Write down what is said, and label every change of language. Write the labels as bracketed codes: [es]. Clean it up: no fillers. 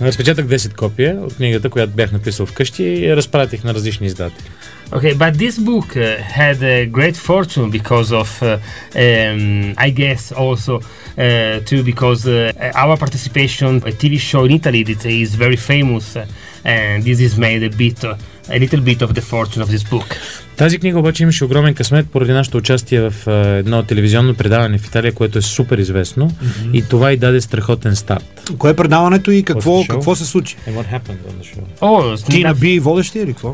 [bg] Разпечатах 10 копия от книгата, която бях написал вкъщи и я разпратих на различни издатели. [en] Okay, but this book had a great fortune because of I guess also too because our participation a TV show in Italy that is very famous and this is made a little bit of the fortune of this book. [bg] Тази книга обаче имаше огромен късмет поради нашето участие в едно телевизионно предаване в Италия, което е супер известно и това и даде страхотен старт. Кое е предаването и какво се случи? [en] And what happened on the show? Oh, [bg] ти наби водещи или какво?